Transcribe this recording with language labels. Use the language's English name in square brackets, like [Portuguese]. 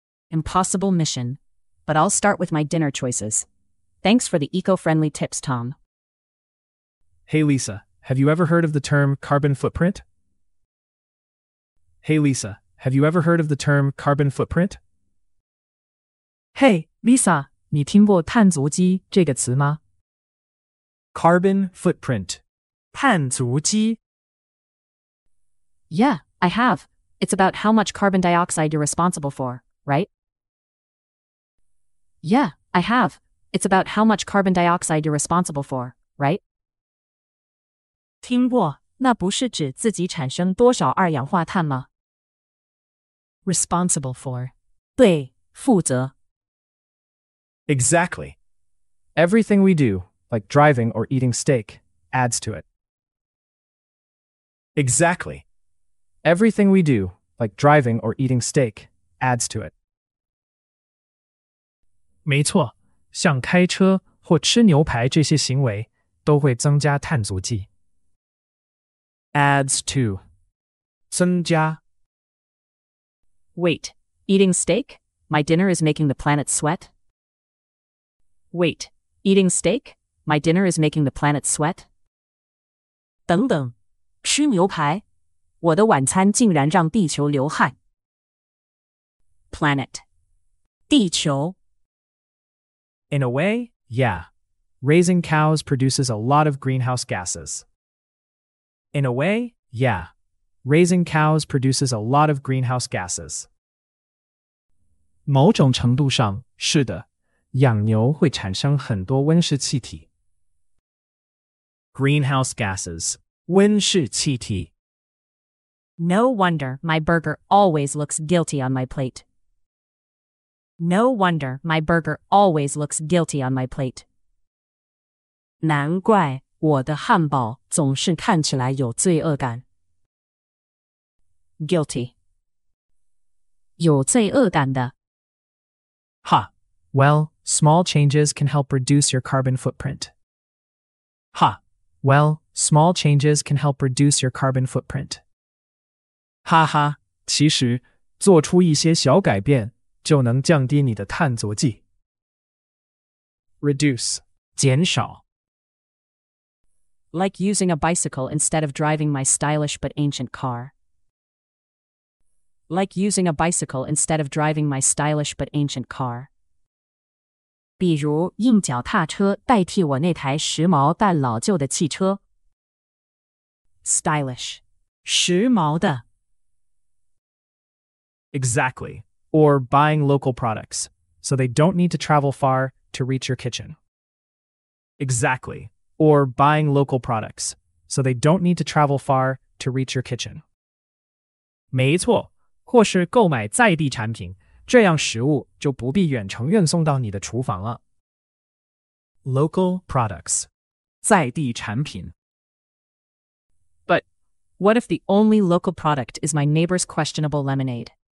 [English] Impossible mission, but I'll start with my dinner choices. Thanks for the eco-friendly tips, Tom. Hey Lisa, have you ever heard of the term carbon footprint? Hey Lisa, have you ever heard of the term carbon footprint? [Chinese] Hey, Lisa, 你听过碳足迹这个词吗? [English] Carbon footprint. [Chinese] 碳足迹. [English] Yeah, I have. It's about how much carbon dioxide you're responsible for, right? Yeah, I have. It's about how much carbon dioxide you're responsible for, right? [Chinese] 听过,那不是指自己产生多少二氧化碳吗? [English] Responsible for. [Chinese] 对,负责。 [English] Exactly. Everything we do, like driving or eating steak, adds to it. Exactly. Everything we do, like driving or eating steak, adds to it. [Chinese] 没错,像开车或吃牛排这些行为都会增加碳足迹。 [English] Adds to. [Chinese] 增加。 [English] Wait, eating steak? My dinner is making the planet sweat? Wait, eating steak? My dinner is making the planet sweat? [Chinese] 等等,吃牛排? 我的晚餐竟然让地球流汗。 [English] Planet. [Chinese] 地球。 [English] In a way, yeah. Raising cows produces a lot of greenhouse gases. In a way, yeah. Raising cows produces a lot of greenhouse gases. [Chinese] 某种程度上,是的,养牛会产生很多温室气体。 [English] Greenhouse gases, [Chinese] 温室气体。 [English] No wonder my burger always looks guilty on my plate. No wonder my burger always looks guilty on my plate. [Chinese] 难怪我的汉堡总是看起来有罪恶感。 [English] Guilty. [Chinese] 有罪恶感的。 Huh. [English] Well, small changes can help reduce your carbon footprint. Huh. Well, small changes can help reduce your carbon footprint. Ha ha. [Chinese] 其实,做出一些小改变,就能降低你的碳足迹。 [English] Reduce. [Chinese] 减少。 [English] Like using a bicycle instead of driving my stylish but ancient car. Like using a bicycle instead of driving my stylish but ancient car. [Chinese] 比如用脚踏车代替我那台时髦但老旧的汽车。 Stylish. 时髦的。 Exactly. Or buying local products, so they don't need to travel far to reach your kitchen. Exactly. Or buying local products, so they don't need to travel far to reach your kitchen. 没错。或是购买在地产品, 这样食物就不必远程运送到你的厨房了。 [English] Local products， [Chinese] 在地产品。 [English] But what if the only local product is my neighbor's questionable lemonade？